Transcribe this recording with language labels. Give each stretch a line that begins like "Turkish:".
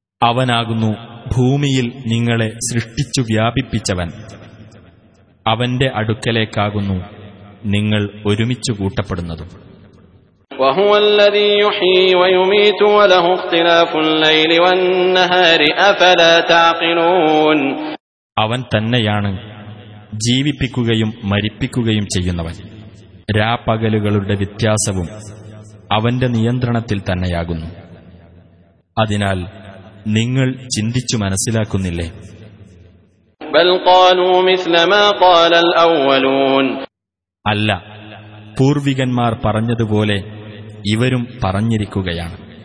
Malayalam: അവനാകുന്നു ഭൂമിയിൽ നിങ്ങളെ സൃഷ്ടിച്ചു വ്യാപിപ്പിച്ചവൻ. അവന്റെ അടുക്കലേക്കാകുന്നു നിങ്ങൾ ഒരുമിച്ചു കൂട്ടപ്പെടുന്നതും.
Arabic: وهو الذي يحيي ويميت وله اختلاف الليل والنهار افلا تعقلون.
Malayalam: അവൻ തന്നെയാണ് ജീവിപ്പിക്കുകയും മരിപ്പിക്കുകയും ചെയ്യുന്നവൻ. രാപകലുകളുടെ വ്യത്യാസവും അവന്റെ നിയന്ത്രണത്തിൽ തന്നെയാകുന്നു. അതിനാൽ നിങ്ങൾ ചിന്തിച്ചു മനസ്സിലാക്കുന്നില്ലേ?
Arabic: بل قالوا مثل ما قال الاولون.
Malayalam: അല്ല, പൂർവികന്മാർ പറഞ്ഞതുപോലെ ഇവരും പറഞ്ഞിരിക്കുകയാണ്.